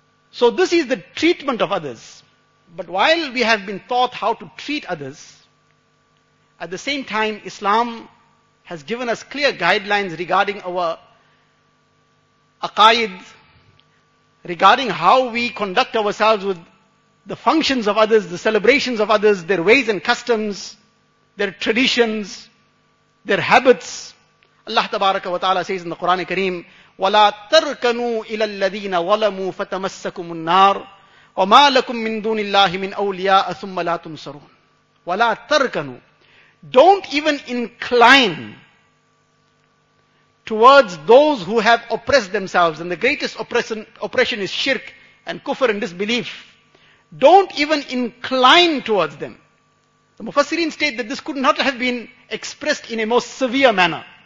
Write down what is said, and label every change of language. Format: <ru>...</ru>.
<en>So this is the treatment of others. But while we have been taught how to treat others, at the same time, Islam has given us clear guidelines regarding our aqaid, regarding how we conduct ourselves with the functions of others, the celebrations of others, their ways and customs, their traditions, their habits. Allah tabaraka wa ta'ala says in the Quran Kareem,</en> <ar>وَلَا تَرْكَنُوا إِلَى الَّذِينَ ظَلَمُوا فَتَمَسَّكُمُ النَّارُ وَمَا لَكُم مِّن دُونِ اللَّهِ مِنْ أَوْلِيَاءَ ثُمَّ لَا تُنصَرُونَ. وَلَا تَرْكَنُوا.</ar> <en>Don't even incline towards those who have oppressed themselves, and the greatest oppression is shirk and kufr and disbelief. Don't even incline towards them. The Mufassirin state that this could not have been expressed in a more severe manner.</en>